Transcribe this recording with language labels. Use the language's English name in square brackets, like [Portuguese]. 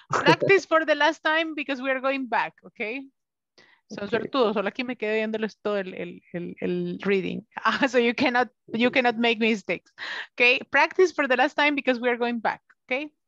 [English] Practice for the last time because we are going back, okay? So, okay. [Spanish] Suertudo, solo aquí me quedé viéndoles todo el reading. [English] So you cannot make mistakes. Okay, practice for the last time because we are going back, okay?